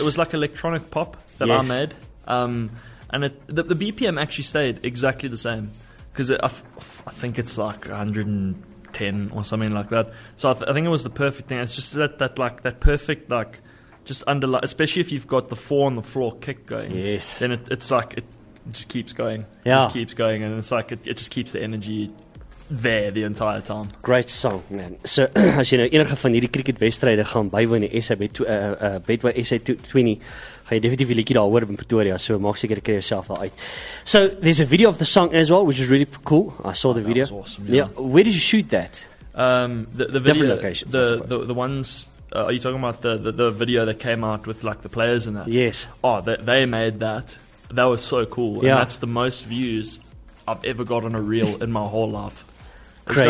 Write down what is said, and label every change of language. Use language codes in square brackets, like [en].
[en] It was like electronic pop that I made. And the BPM actually stayed exactly the same, because I think it's like 110 or something like that. So I think it was the perfect thing. It's just that perfect, like, just underline, especially if you've got the four on the floor kick going. Yes. Then it's like, it just keeps going. Yeah. It just keeps going, and it's like, it just keeps the energy there the entire time. Great song, man. So as you know, [af] enige van hierdie cricket wedstryde gaan bywoon die SA Betway SA 20, gaan jy definitief 'n liedjie daar hoor in Pretoria, so maak seker jy kry jouself daar uit. [en] So there's a video of the song as well, which is really cool. I saw the video. That was awesome. Yeah. Where did you shoot that? The video, different locations, the ones, are you talking about the video that came out with like the players and that? Yes. Oh, they made that. That was so cool. Yeah. And that's the most views I've ever got on a reel in my whole life. crazy.